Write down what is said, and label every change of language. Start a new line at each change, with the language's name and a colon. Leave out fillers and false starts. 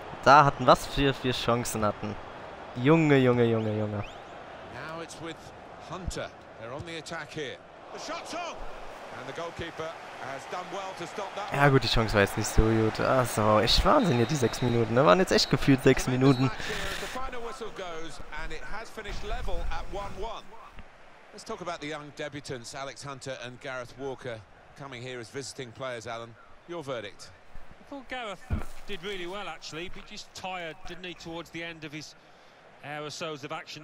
German: Da hatten was für vier Chancen hatten. Junge, Junge, Junge, Junge.
English: Now it's with Hunter. They're on the attack here. The shot's on. And the goalkeeper has done well to stop that.
German: Ja gut, die Chance war jetzt nicht so gut. Ach so, echt Wahnsinn hier, die 6 Minuten. Da waren jetzt echt gefühlt 6 Minuten.
English: The final whistle goes and it has finished level at 1-1. Let's talk about the young debutants Alex Hunter and Gareth Walker coming here as visiting players, Alan. Your verdict. I thought Gareth did really well, actually, but just tired, didn't he, towards the end of his hour or so of action.